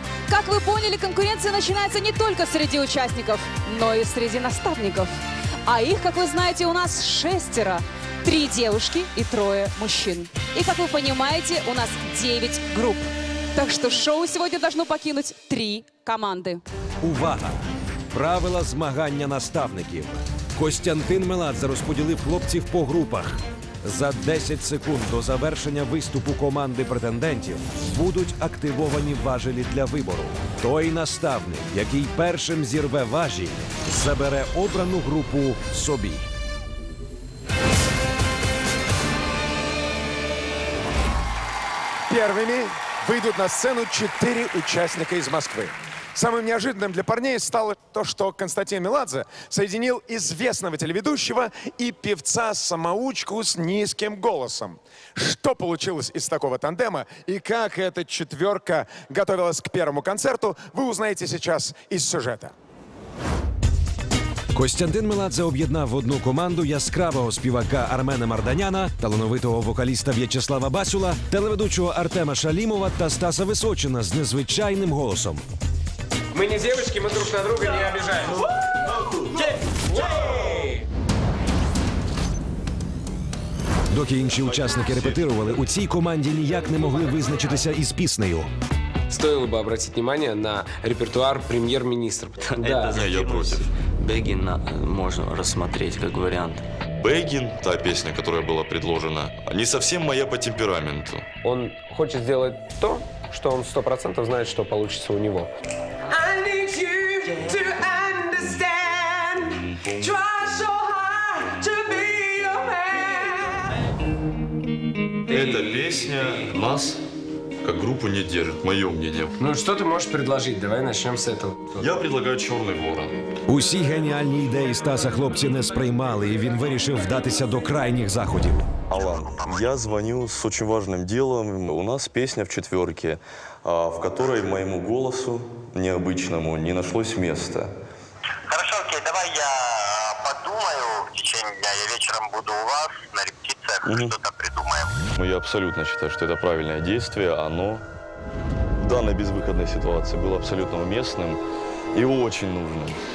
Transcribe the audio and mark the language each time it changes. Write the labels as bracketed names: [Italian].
[Russian] Как вы поняли, конкуренция начинается не только среди участников, но и среди наставников. А их, как вы знаете, у нас 6. 3 девушки и 3 мужчин. И, как вы понимаете, у нас 9 групп. Так что шоу сегодня должно покинуть 3 команды. [Ukrainian] Увага! Правила змагання наставників. Костянтин Меладзе розподілив хлопців по групах. За 10 секунд до завершення виступу команди претендентів будуть активовані важелі для вибору. Той наставник, який першим зірве важіль, забере обрану групу собі. [Russian] Первыми выйдут на сцену 4 участника из Москвы. Самым неожиданным для парней стало то, что Константин Меладзе соединил известного телеведущего и певца-самоучку с низким голосом. Что получилось из такого тандема и как эта четверка готовилась к первому концерту, вы узнаете сейчас из сюжета. [Ukrainian] Костянтин Меладзе об'єднав в одну команду яскравого співака Армена Марданяна, талановитого вокаліста В'ячеслава Басюла, телеведучого Артема Шалімова та Стаса Височина з незвичайним голосом. Ми не дівчатки, ми друг на друга не обіжаємо. Доки інші учасники репетирували, у цій команді ніяк не могли визначитися із піснею. [Russian] Стоило бы обратить внимание на репертуар премьер-министра. Да, я против. Бегин можно рассмотреть как вариант. Бегин, та песня, которая была предложена, не совсем моя по темпераменту. Он хочет сделать то, что он 100% знает, что получится у него. [English] I need you to understand. Try so hard to be your man. [Russian] Эта песня нас... как группу не держит, мое мнение. Ну что ты можешь предложить? Давай начнем с этого. Я предлагаю «Черный ворон». [Ukrainian] Усі геніальні ідеї Стаса хлопці не сприймали, і він вирішив вдатися до крайніх заходів. Алан, я звоню з дуже важливим ділом. У нас пісня в четверці, [Russian] в которой моєму голосу необычному не нашлось [Ukrainian] місця. [Russian] Хорошо, окей, давай я подумаю в течение дня. Я вечером буду у вас на репетициях, что-то придумаем. Ну, я абсолютно считаю, что это правильное действие. Оно в данной безвыходной ситуации было абсолютно уместным и очень нужным.